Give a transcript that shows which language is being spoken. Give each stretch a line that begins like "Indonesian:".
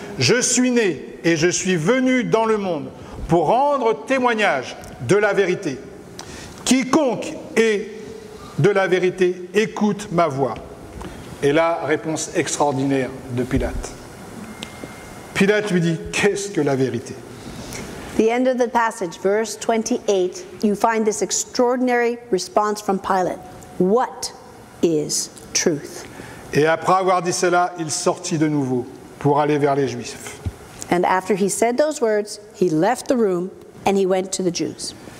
French: Je suis né et je suis venu dans le monde pour rendre témoignage de la vérité. Quiconque est de la vérité, écoute ma voix. Et là, réponse extraordinaire de Pilate. Pilate lui dit, qu'est-ce que la vérité?
English: The end of the passage, verse 28, you find this extraordinary response from Pilate. What is truth?
French: Et après avoir dit cela, il sortit de nouveau pour aller vers les Juifs.
English: And after he said those words, he left the room and he went to the Jews.